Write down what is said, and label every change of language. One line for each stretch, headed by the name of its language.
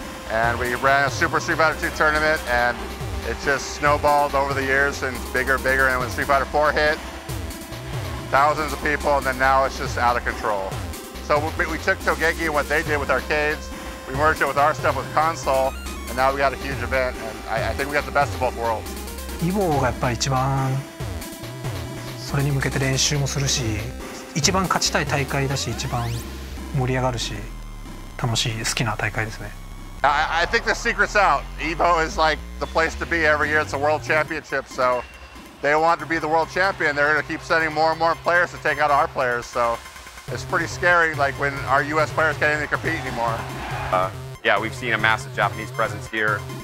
English: And we ran a Super Street Fighter II tournament, and it just snowballed over the years and bigger and bigger. And when Street Fighter IV hit, thousands of people, and then now it's just out of control. So we took Togeki and what they did with arcades, we merged it with our stuff with console, and now we got a huge event, and I think we got the best of both worlds.
Japanese: EVO がやっぱり一番それに向けて練習もするし、一番勝ちたい大会だし、一番盛り上がるし、楽しい好きな大会ですね。
English: I think the secret's out. EVO is like the place to be every year. It's a world championship, so they want to be the world champion. They're going to keep sending more and more players to take out our players, so it's pretty scary, like when our U.S. players can't even compete anymore. We've seen a massive Japanese presence here.